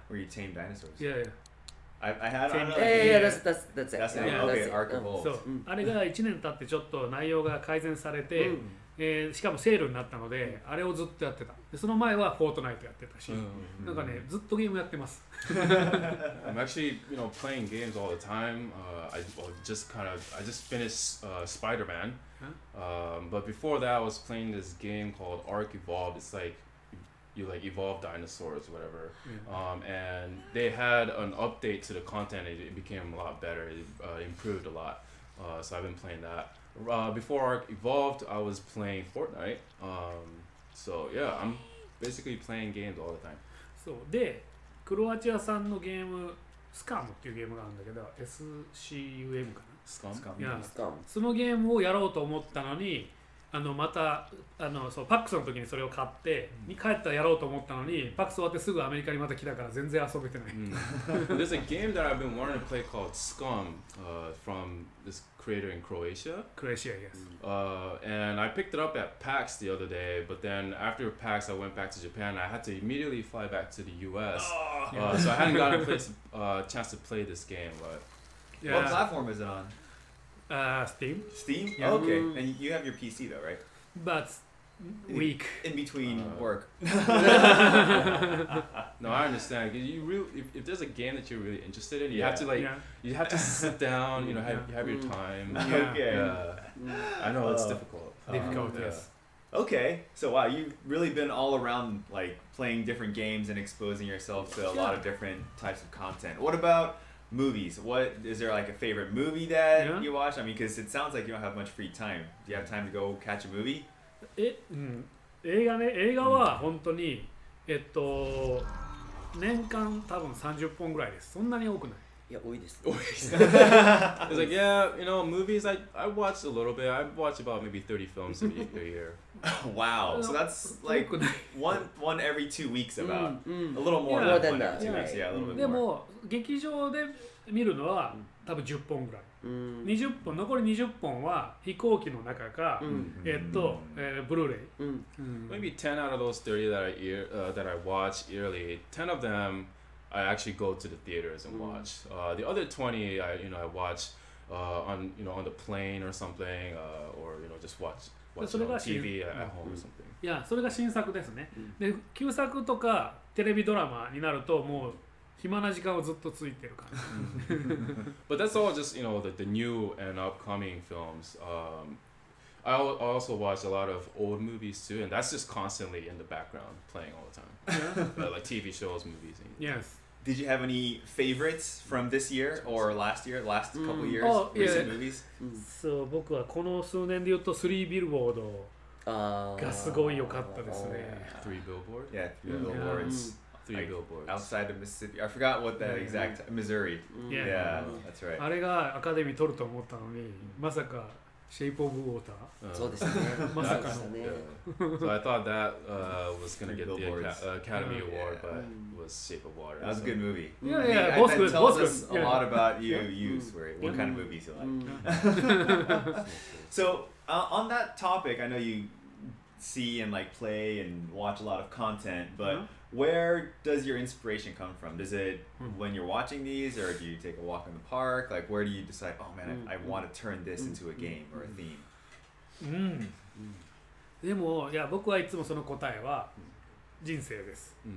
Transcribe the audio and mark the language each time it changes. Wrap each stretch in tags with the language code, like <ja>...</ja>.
<en>Where you tame dinosaurs? Yeah, yeah. I had on a... Yeah, that's it. That's it. Yeah, okay, that's Arc Evolved.</en> <ja>So, あれが1年経ってちょっと内容が改善されて、しかもセールになったので、あれをずっとやってた。でその前はフォートナイトやってたし、なんかね、ずっとゲームやってます。</ja> <en>I'm actually, you know, playing games all the time. I just finished Spider-Man. But before that, I was playing this game called Arc Evolved. It's like you like evolve dinosaurs, whatever. And they had an update to the content. It became a lot better. It improved a lot. So I've been playing that. Before Arc Evolved, I was playing Fortnite. So yeah, I'm basically playing games all the time.</en> <ja>So で、クロアチアさんのゲーム、スカムっていうゲームがあるんだけど、S C U M かな。そのゲームをやろうと思ったのに、あのまたあのそうパックスの時にそれを買って、に帰ったらやろうと思ったのに、パックス終わってすぐアメリカにまた来たから全然遊べてない。</ja> <en>There's a game that I've been wanting to play called Scum, from this creator in Croatia. Croatia, yes. And I picked it up at PAX the other day, but then after PAX I went back to Japan. I had to immediately fly back to the US. So I hadn't gotten a chance to play this game, but. Yeah. What platform is it on? Steam. Steam? Yeah. Oh, okay. And you have your PC though, right? But weak. In between work. No, I understand. If there's a game that you're really interested in, you have to sit down, you know, have your time. Yeah. Okay. Yeah. I know it's difficult. Difficult, yes. Okay. So wow, you've really been all around like playing different games and exposing yourself to a lot of different types of content. What about movies? What is there like a favorite movie that you watch? I mean, because it sounds like you don't have much free time. Do you have time to go catch a movie?</en> <ja>映画は本当に年間多分30本ぐらいです。そんなに多くない。いや多いです。多いです。</ja> <en>It's like yeah, you know, movies. I watch a little bit. I watch about maybe 30 films a year. Wow. So that's like one every 2 weeks about. A little more than that. Yeah, a little bit more.</en> <ja>でも劇場で見るのは多分10本ぐらい。 20本、残り20本は飛行機の中か、ブルーレイ。</ja> <en>Maybe 10 out of those 30 that I watch yearly. 10 of them. I actually go to the theaters and watch. The other 20, I watch on the plane or something, or you know just watch on TV at home or something.</en> <ja>Yeah, それが新作ですね。で、旧作とかテレビドラマになるともう暇な時間をずっとついてるから。</ja> <en>But that's all just you know the new and upcoming films. I also watch a lot of old movies too, and that's just constantly in the background playing all the time. like TV shows, movies. And yes. Did you have any favorites from this year or last year, last couple years, recent movies?</en> <ja>そう、僕はこの数年で言うと3ビルボードがすごい良かったですね。</ja> <en>3 billboard? Yeah, 3 billboards. 3 billboards. Outside of Mississippi. I forgot what that exact, Missouri. Yeah, that's right.</en> <ja>あれがアカデミー取ると思ったのに、まさか</ja> <en>Shape of Water. So I thought that was going to get the Academy Award, but it was Shape of Water. That was a good movie. Yeah, both good. That tells us a lot about you, you, Swery. What kind of movies you like. So on that topic, I know you see and like play and watch a lot of content, but where does your inspiration come from? Is it when you're watching these, or do you take a walk in the park? Like, where do you decide, oh man, I want to turn this into a game or a theme?</en> <ja>でも、いや、僕はいつもその答えは人生です。</ja>